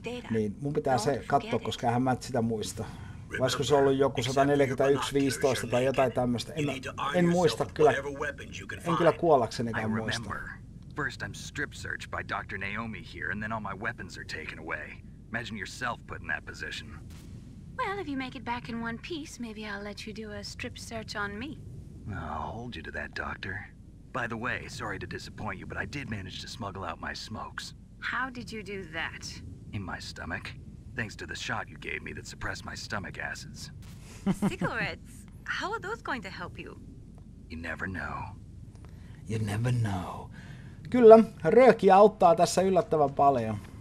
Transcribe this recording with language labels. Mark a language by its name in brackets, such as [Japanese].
[Finnish] Niin mun pitää se katsoa, koska eihän mä sitä muista. Voisiko se ollut joku 141.15 tai jotain tämmöistä? En muista kyllä. En kyllä kuollaksenikään muista. [English] First I'm strip searched by Dr. Naomi here, and then all my weapons are taken away. Imagine yourself put in that position. Well, if you make it back in one piece, maybe I'll let you do a strip search on me. I'll hold you to that, Doctor. By the way, sorry to disappoint you, but I did manage to smuggle out my smokes. How did you do that? In my stomach. Thanks to the shot you gave me that suppressed my stomach acids. Cigarettes? How are those going to help you? You never know. You never know. [Finnish] Kyllä, röökiä auttaa tässä yllättävän paljon.